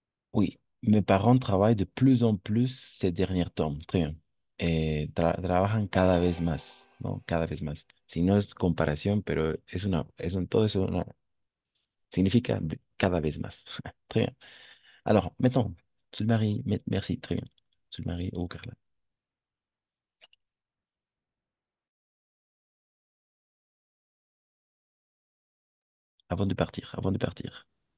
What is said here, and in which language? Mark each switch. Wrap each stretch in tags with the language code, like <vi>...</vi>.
<fr>Oui, mes parents travaillent de plus en plus ces derniers temps. Très bien.</fr> <es>Et trabajan cada vez más, ¿no? Cada vez más. Si no es comparación, pero todo eso significa cada vez más.</es> <fr>Très bien. Alors, mettons, Sulmarie, merci, très bien. Sulmarie ou Carla. Avant de partir, avant de partir.</fr>